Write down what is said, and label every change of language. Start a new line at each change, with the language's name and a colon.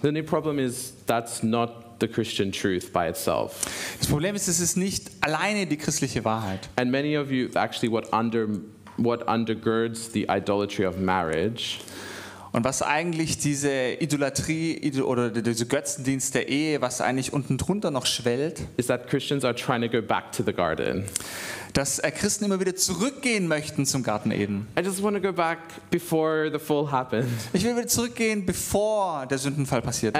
English: The new problem is that's not the Christian truth by itself.
German: Das Problem ist, es ist nicht alleine die christliche Wahrheit.
English: And many of you actually what undergirds the idolatry of marriage.
German: Und was eigentlich diese Idolatrie oder diese Götzendienst der Ehe, was eigentlich unten drunter noch schwellt,
English: is that Christians are trying to go back to the garden.
German: Dass Christen immer wieder zurückgehen möchten zum Garten Eden.
English: I just want to go back before the fall happened.
German: Ich will wieder zurückgehen, bevor der Sündenfall passiert ist.